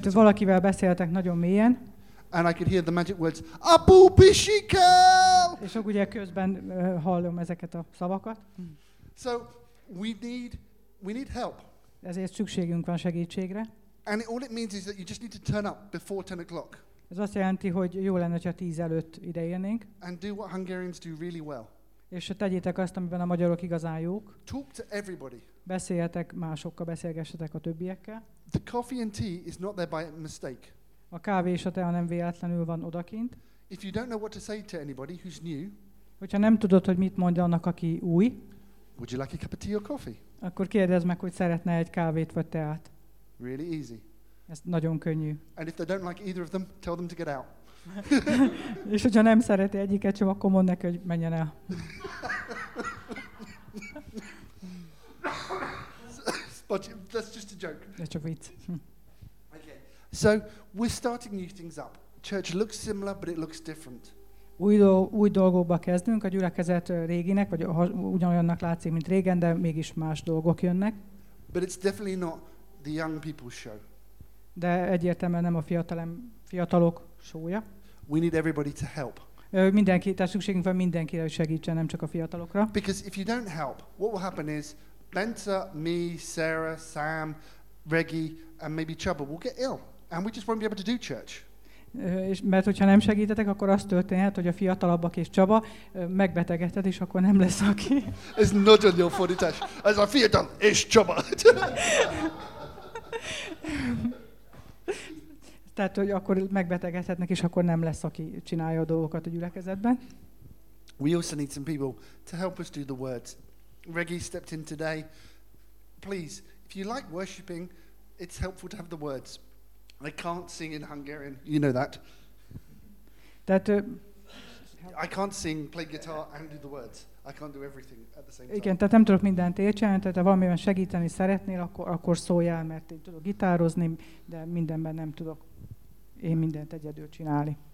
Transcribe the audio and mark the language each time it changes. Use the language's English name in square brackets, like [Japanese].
[Hungarian] Tehát valakivel beszéltek nagyon mélyen. [English] And I could hear the magic words, Abu Bishikel! [Hungarian] És akkor ugye közben hallom ezeket a szavakat. [English] So we need help. [Hungarian] Ezért szükségünk van segítségre. [English] And all it means is that you just need to turn up before 10 o'clock. [Hungarian] Ez azt jelenti, hogy jó lenne, ha 10 előtt ide jönnénk. [English] And do what Hungarians do really well. [Hungarian] És tegyétek azt, amiben a magyarok igazán jók. [English] Talk to everybody. [Hungarian] Beszéljetek másokkal, beszélgessetek a többiekkel. [English] The coffee and tea is not there by mistake. [Hungarian] A kávé és a tea nem véletlenül van odakint. [English] If you don't know what to say to anybody who's new. [Hungarian] Hogyha nem tudod, hogy mit mondja annak, aki új. [English] Would you like a cup of tea or coffee? [Hungarian] Akkor kérdezd meg, hogy szeretne egy kávét vagy teát. [English] Really easy. [Hungarian] Ez nagyon könnyű. [English] And if they don't like either of them, tell them to get out. [Hungarian] És hogyha nem szereti egyiket sem, akkor mondd neki, hogy menjen el. [English] But that's just a joke. [Hungarian] Ez csak vicc. [English] Okay. So we're starting new things up. Church looks similar, but it looks different. [Hungarian] Új dolgokba kezdünk, a gyülekezet réginek, vagy ugyanolyannak látszik, mint régen, de mégis más dolgok jönnek. [English] But it's definitely not the young people's show. [Hungarian] De egyértelműen nem a fiatalok showja. [English] We need everybody to help. [Hungarian] Mindenki, tehát szükségünk van mindenkire, hogy segítsen, nem csak a fiatalokra. [English] Because if you don't help, what will happen is Benta, me, Sarah, Sam, Reggie, and maybe Chuba will get ill, and we just won't be able to do church. [Hungarian] És mert hogyha nem segítetek, akkor az történhet, hogy a fiatalabbak és Csaba megbetegedhet, és akkor nem lesz aki. Ez nagyon jó fordítás. Ez a fiatal és Csaba. Tehát, hogy akkor megbetegedhetnek, és akkor nem lesz, aki csinálja a dolgokat a gyülekezetben. [English] We also need some people to help us do the words. Reggie stepped in today. Please, if you like worshiping, it's helpful to have the words. I can't sing in Hungarian, you know that. I can't sing, play guitar and do the words. I can't do everything at the same time. [Hungarian] Igen, tehát nem tudok mindent értsen, tehát ha valamiben segíteni szeretnél, akkor szóljál, mert én tudok gitározni, de mindenben nem tudok én mindent egyedül csinálni.